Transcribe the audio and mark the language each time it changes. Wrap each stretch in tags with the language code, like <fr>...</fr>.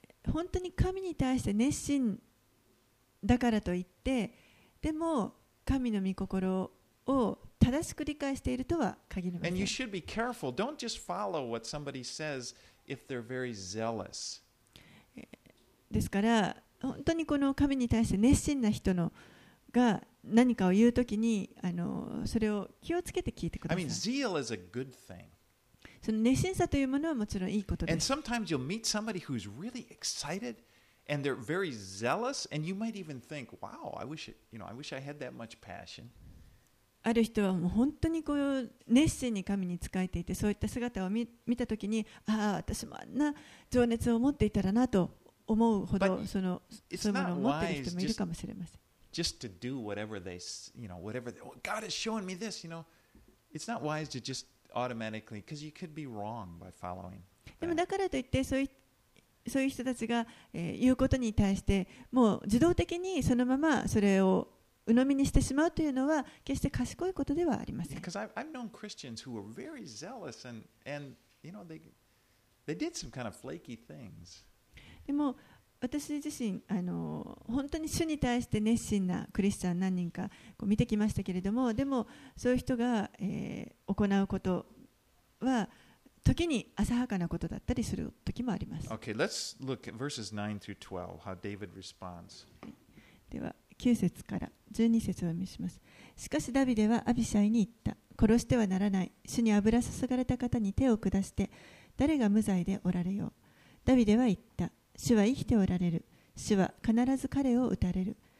<ja>本当に神に対して熱心だからといってでも神の御心を正しく理解しているとは限りません。</ja> <en>And you should be careful. Don't just follow what somebody says if they're very zealous.</en> <ja>ですから本当にこの神に対して熱心な人のが何かを言うときにそれを気をつけて聞いてください。</ja> <en>I mean, zeal is a good thing.</en> <ja>その熱心さというものはもちろんいいことです。</ja> <en>And sometimes you'll meet somebody who's really excited and they're very zealous and you might even think, wow, I wish I had that much passion.</en> <ja>ある人はもう本当にこう熱心に神に仕えていてそういった姿を見たときに、ああ、私もあんな情熱を持っていたらなと思うほどその、そういうものを持っている人もいるかもしれません。</ja> <en>Just to do whatever they, you know, whatever they, oh, God is showing me this, you know, it's not wise to justautomatically, because you could be wrong by following.</en> <ja>でもだからといってそういう人たちが、言うことに対してもう自動的にそのままそれを鵜呑みにしてしまうというのは決して賢いことではありません。</ja> <en>Because I've known Christians who were very zealous and you know they did some kind of flaky things.</en> <ja>でも私自身本当に主に対して熱心なクリスチャン何人かこう見てきましたけれどもでもそういう人が、行うことは時に浅はかなことだったりする時もあります。</ja> <en>Okay, let's look at verses 9 through 12 how David responds.</en> <ja>では9節から12節を読みします。しかしダビデはアビシャイに言った。殺してはならない。主に油注がれた方に手を下して誰が無罪でおられよう。ダビデは言った。主は生きておられる。主は必ず彼を撃たれる。</ja>